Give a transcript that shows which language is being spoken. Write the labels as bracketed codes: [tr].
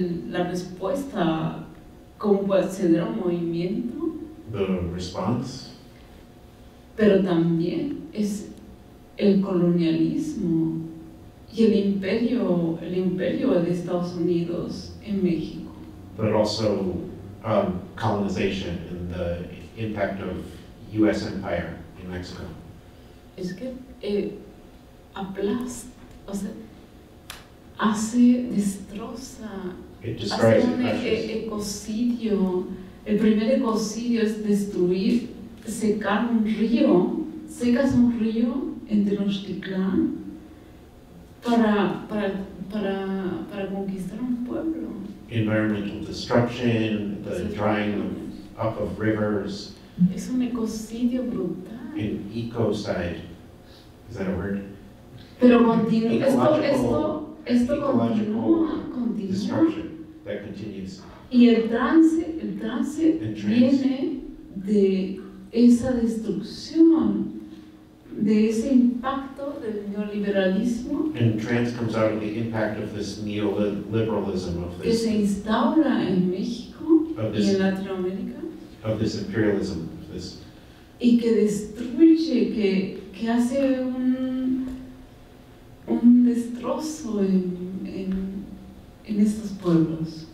[es] La respuesta, cómo puede acceder a un movimiento. [en] The response. [es] Pero también es el colonialismo y el imperio de Estados Unidos en México. [en] But also colonization and the impact of U.S. Empire in Mexico. [es] Es que aplasta, o sea, hace, destroza. [en] It destroys, [es] hace un ecocidio. El primer ecocidio es destruir, secar un río. Secas un río en Tenochtitlán para conquistar un pueblo. [en] Environmental destruction, the drying up of rivers. [es] Es un ecocidio brutal. [en] An ecocide. Is that a word? [es] Pero continúa. Esto continúa. [en] Destruction that continues. [es] Y el trance viene de esa destrucción, de ese impacto del neoliberalismo. [en] And trance comes out of the impact of this neoliberalism of this. [es] Que se instaura en México y en Latinoamérica. [en] Of this imperialism. [es] Y que destruye, que hace un destrozo en estos pueblos.